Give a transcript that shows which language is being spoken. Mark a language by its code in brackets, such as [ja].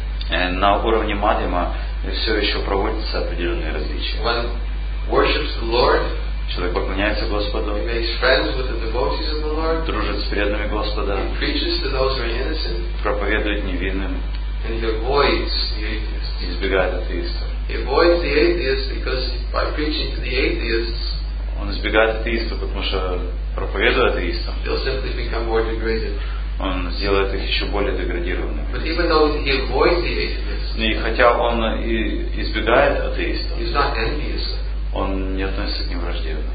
[ru] На уровне Мадхьяма все еще проводятся определенные различия. [en] When worships the Lord, [ru] человек поклоняется Господу, [en] he makes friends with the devotees of the Lord, [ru] дружит с преданными Господа, [en] he preaches to those who are innocent, [ru] проповедует невинным, [en] and he avoids the atheists. [ru] Избегает атеистов. [en] He avoids the atheists because by preaching to the atheists, [ru] он избегает атеистов, потому что проповедуя атеистам, [en] they'll simply become more degraded. [ru] Он сделает их еще более деградированными. [en] But even though he avoids the atheists, [ru] и хотя он и избегает атеистов, [en] he's not envious. [ru] Он не относится к ним враждебно.